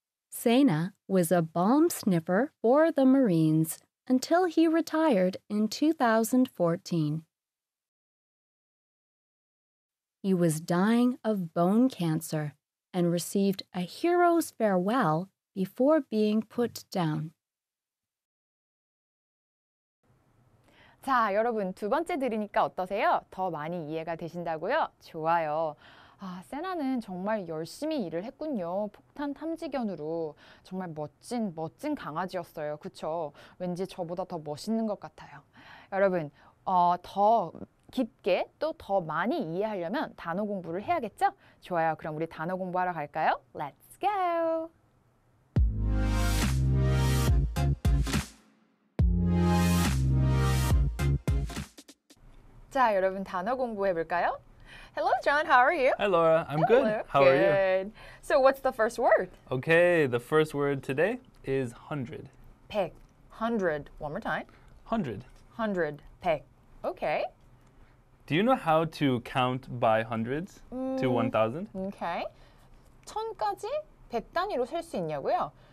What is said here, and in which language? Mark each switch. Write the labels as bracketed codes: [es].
[en] Sena was a bomb sniffer for the Marines until he retired in 2014. He was dying of bone cancer. And received a hero's farewell before being put down. [ko] 자, 여러분 두 번째 들으니까 어떠세요? 더 많이 이해가 되신다고요? 좋아요. 아, 세나는 정말 열심히 일을 했군요. 폭탄 탐지견으로 정말 멋진 강아지였어요. 그쵸? 왠지 저보다 더 멋있는 것 같아요. 여러분, 더 깊게 또더 많이 이해하려면 단어 공부를 해야겠죠? 좋아요. 그럼 우리 단어 공부하러 갈까요? [en] Let's go! [ko] 자, 여러분 단어 공부해 볼까요? [en] Hello, John. How are you? Hi, Laura. I'm Hello. good. How good. are you? So, what's the first word? Okay, the first word today is 100. 100. 100. One more time. 100. 100. 100. Okay. Do you know how to count by hundreds to 1,000? Okay. [ko] 천까지 백 단위로 셀 수 있냐고요?